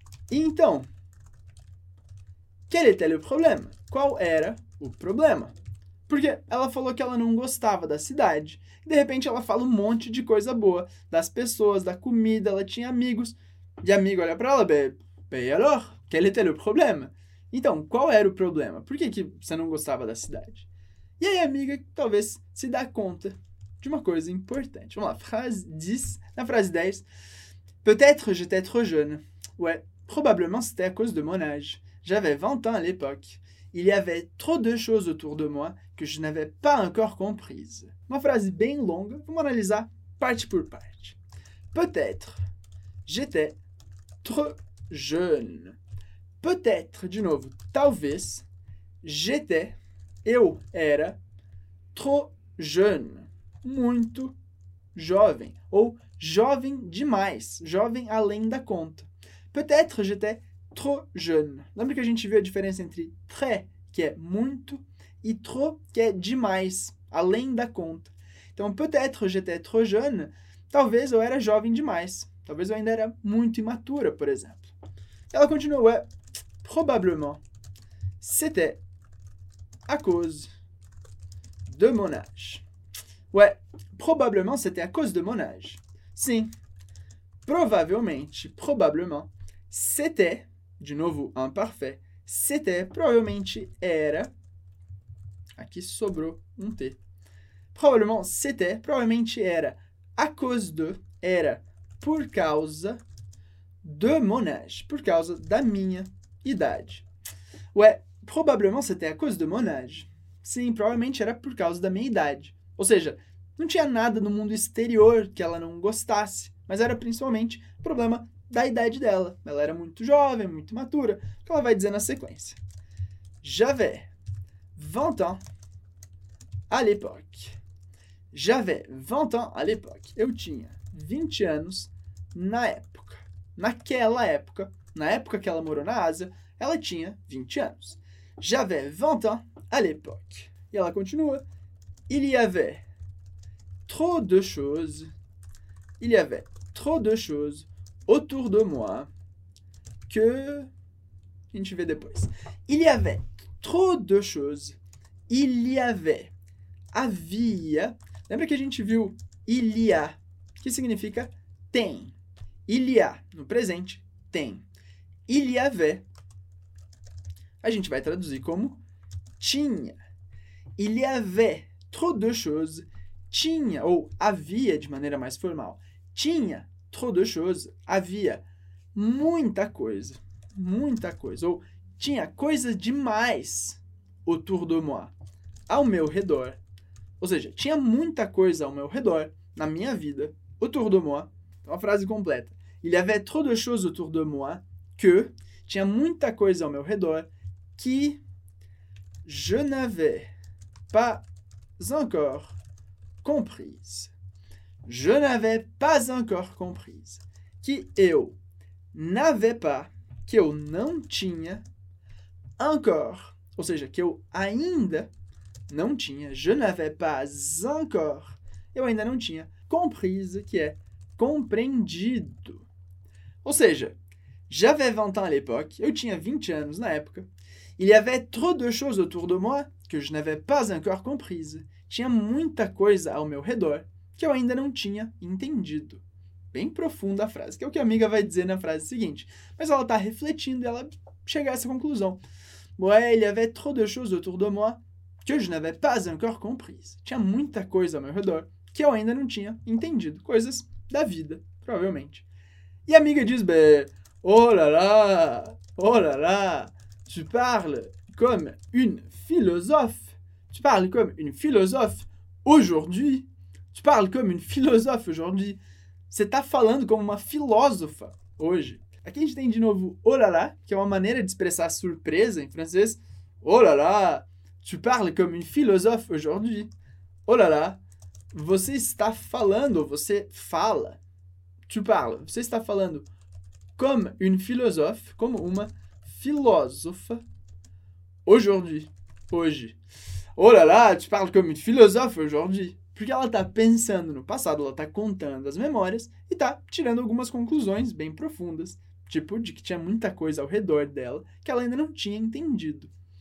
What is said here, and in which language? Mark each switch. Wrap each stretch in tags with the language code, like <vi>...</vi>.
<pt>E então,</pt> <fr>quel était le problème?</fr> <pt>Qual era o problema? Porque ela falou que ela não gostava da cidade. De repente, ela fala um monte de coisa boa. Das pessoas, da comida, ela tinha amigos. E amigo olha pra ela, bem,</pt> <fr>alors, quel était le problème?</fr> <pt>Então, qual era o problema? Por que você não gostava da cidade? E aí, amiga, talvez se dá conta de uma coisa importante. Vamos lá, phrase 10, na frase 10.</pt> <fr>Peut-être j'étais trop jeune. Ouais, probablement c'était à cause de mon âge. J'avais 20 ans à l'époque. Il y avait trop de choses autour de moi que je n'avais pas encore comprises.</fr> <pt>Uma frase bem longa, vamos analisar parte por parte.</pt> <fr>Peut-être, j'étais trop jeune. Peut-être,</fr> <pt>de novo, talvez,</pt> <fr>j'étais,</fr> <pt>Eu era</pt> <fr>trop jeune,</fr> <pt>muito jovem, ou jovem demais, jovem além da conta.</pt> <fr>Peut-être j'étais trop jeune.</fr> <pt>Lembra que a gente viu a diferença entre très, que é muito, e trop, que é demais, além da conta. Então,</pt> <fr>peut-être j'étais trop jeune,</fr> <pt>talvez eu era jovem demais. Talvez eu ainda era muito imatura, por exemplo. Ela continua,</pt> <fr>ouais, probablement, c'était à cause de mon âge. Ouais, probablement, c'était à cause de mon âge.</fr> <pt>Sim, provavelmente,</pt> <fr>probablement, c'était,</fr> <pt>de novo, imparfait, c'était, provavelmente, era, aqui sobrou um T, probablement, c'était, provavelmente, era,</pt> <fr>à cause de,</fr> <pt>era, por causa de</pt> <fr>mon âge,</fr> <pt>por causa da minha idade.</pt> <fr>Ué, probablement c'était à cause de mon âge.</fr> <pt>Sim, provavelmente era por causa da minha idade. Ou seja, não tinha nada no mundo exterior que ela não gostasse, mas era principalmente problema da idade dela. Ela era muito jovem, muito matura, que ela vai dizer na sequência.</pt> <fr>J'avais 20 ans à l'époque. J'avais 20 ans à l'époque.</fr> <pt>Eu tinha 20 anos na época. Naquela época, na época que ela morou na Ásia, ela tinha 20 anos.</pt> <fr>J'avais 20 ans à l'époque.</fr> <pt>E ela continua.</pt> <fr>Il y avait trop de choses. Il y avait trop de choses autour de moi que.</fr> <pt>A gente vê depois.</pt> <fr>Il y avait trop de choses. Il y avait.</fr> <pt>Havia. Lembra que a gente viu</pt> <fr>il y a,</fr> <pt>que significa tem.</pt> <fr>Il y a,</fr> <pt>no presente, tem.</pt> <fr>Il y avait,</fr> <pt>a gente vai traduzir como tinha.</pt> <fr>Il y avait trop de choses,</fr> <pt>tinha, ou havia, de maneira mais formal. Tinha</pt> <fr>trop de choses,</fr> <pt>havia muita coisa, ou tinha coisas demais</pt> <fr>autour de moi,</fr> <pt>ao meu redor. Ou seja, tinha muita coisa ao meu redor, na minha vida,</pt> <fr>autour de moi.</fr> <pt>Então, a frase completa.</pt> <fr>Il y avait trop de choses autour de moi que,</fr> <pt>tinha muita coisa ao meu redor, que</pt> <fr>je n'avais pas encore comprise. Je n'avais pas encore comprise.</fr> <pt>Que eu n'avais pas, que eu não tinha, encore, ou seja, que eu ainda não tinha,</pt> <fr>je n'avais pas encore,</fr> <pt>eu ainda não tinha,</pt> <fr>comprise,</fr> <pt>que é compreendido. Ou seja,</pt> <fr>j'avais 20 ans à l'époque,</fr> <pt>eu tinha 20 anos na época,</pt> <fr>il y avait trop de choses autour de moi que je n'avais pas encore comprise,</fr> <pt>tinha muita coisa ao meu redor que eu ainda não tinha entendido. Bem profunda a frase, que é o que a amiga vai dizer na frase seguinte, mas ela está refletindo e ela chega a essa conclusão.</pt> <fr>Ouais, il y avait trop de choses autour de moi que je n'avais pas encore comprise.</fr> <pt>Tinha muita coisa ao meu redor que eu ainda não tinha entendido. Coisas da vida, provavelmente. E a amiga diz,</pt> <fr>oh là là, tu parles comme une philosophe. Tu parles comme une philosophe aujourd'hui. Tu parles comme une philosophe aujourd'hui.</fr> <pt>Você tá falando como uma filósofa hoje. Aqui a gente tem de novo,</pt> <fr>oh là là,</fr> <pt>que é uma maneira de expressar surpresa em francês.</pt> <fr>Oh là là. Tu parles comme une philosophe aujourd'hui. Oh là là,</fr> <pt>você está falando, você fala.</pt> <fr>Tu parles,</fr> <pt>você está falando</pt> <fr>comme une philosophe,</fr> <pt>como uma filósofa,</pt> <fr>aujourd'hui,</fr> <pt>hoje.</pt> <fr>Oh là là, tu parles comme une philosophe aujourd'hui.</fr> <pt>Porque ela está pensando no passado, ela está contando as memórias e está tirando algumas conclusões bem profundas, tipo de que tinha muita coisa ao redor dela que ela ainda não tinha entendido.</pt>